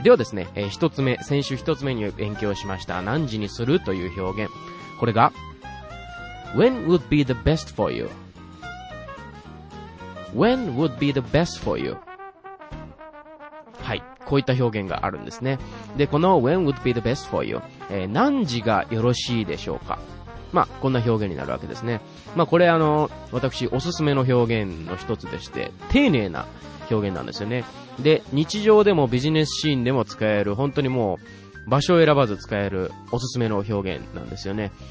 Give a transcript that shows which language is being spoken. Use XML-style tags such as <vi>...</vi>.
<ja>ではですね、1つ目、先週1つ目に勉強しました何時にするという表現、これが</ja> <en>When would be the best for you? When would be the best for you?</en> <ja>はい、こういった表現があるんですね。で、この</ja> <en>When would be the best for you?</en> <ja>何時がよろしいでしょうか。まあ、こんな表現になるわけですね。まあ、これ私おすすめの表現の一つでして、丁寧な表現なんですよね。で、日常でもビジネスシーンでも使える、本当にもう場所を選ばず使えるおすすめの表現なんですよね。</ja>